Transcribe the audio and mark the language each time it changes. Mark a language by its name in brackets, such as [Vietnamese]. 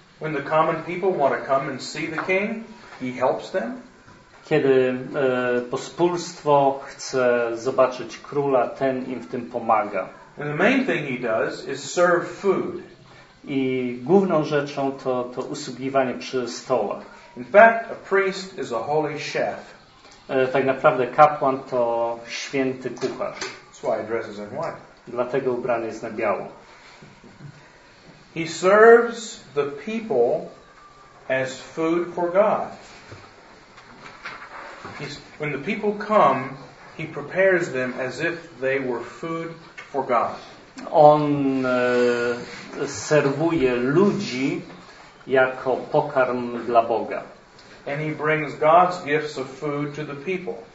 [English] When the common people want to come and see the king, he helps them. [Polish] Kiedy pospólstwo chce zobaczyć króla, ten im w tym pomaga. [English] And the main thing he does is serve food. [Polish] I główną rzeczą to usługiwanie przy stołach. [English] In fact, a priest is a holy chef. [Polish] Tak naprawdę kapłan to święty kucharz. [English] That's why he dresses in white. [Polish] Dlatego ubrany jest na biało. [English] He serves the people as food for God. When the people come, he prepares them as if they were food for God. [Polish] On serwuje ludzi jako pokarm dla Boga. [English] And he brings God's gifts of food to the people.